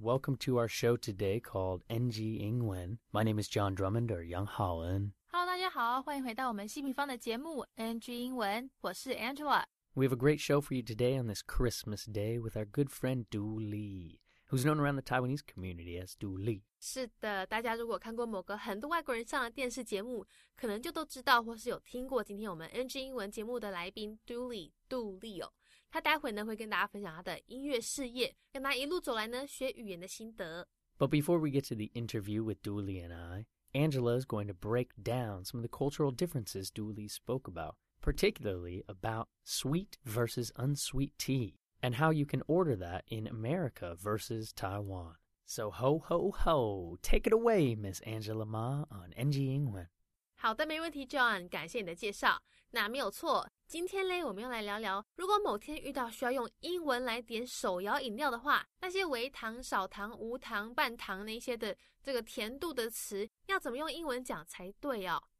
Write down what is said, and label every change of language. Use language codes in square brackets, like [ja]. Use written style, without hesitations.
[en] Welcome to our show today called NG Ingwen. My name is John Drummond, or Young Holland. [zh] Hello, 大家好，欢迎回到我们西平方的节目 NG Ingwen. 我是 Angela. [en] We have a great show for you today on this Christmas day with our good friend Dooley, who's known around the Taiwanese community as Dooley. [zh] 是的，大家如果看过某个很多外国人上的电视节目，可能就都知道或是有听过今天我们 NG Ingwen 节目的来宾 Dooley, 杜丽哦。他待会呢会跟大家分享他的音乐事业，跟他一路走来呢学语言的心得。 [en] But before we get to the interview with Dooley and I, Angela is going to break down some of the cultural differences Dooley spoke about, particularly about sweet versus unsweet tea, and how you can order that in America versus Taiwan. So ho ho ho, take it away, Miss Angela Ma on NG Ingwen. [zh] 好的，没问题 ，John， 感谢你的介绍，那没有错。今天咧，我们要来聊聊，如果某天遇到需要用英文来点手摇饮料的话，那些微糖、少糖、无糖、半糖那些的这个甜度的词，要怎么用英文讲才对哦？